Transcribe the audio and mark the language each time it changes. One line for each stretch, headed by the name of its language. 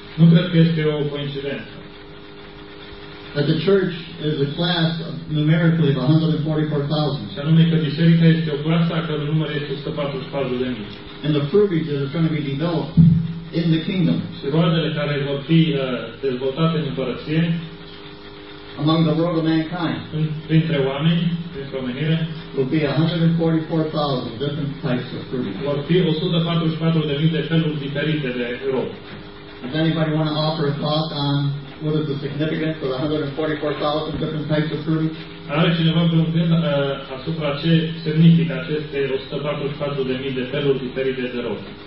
Romanian: Nu cred că este o coincidență.
English: That the church is a class of numerically of 144,000.
Romanian: Și anume că biserica este o clasă a cărui număr este 144,000.
English: And the fruitage that is going to be developed in the kingdom.
Romanian: Și roadele care vor fi dezvoltate în împărăție.
English: Among the world of mankind.
Romanian: Printre oameni, printre omenire.
English: Will be 144,000 different types of fruit.
Romanian: Vor fi 144,000 de feluri diferite de rob.
English: Does anybody want to offer a thought on what is the significance of the 144,000 different types of fruit?
Romanian: Are cineva vreun gând asupra ce semnifică aceste 144,000 de feluri diferite de rob?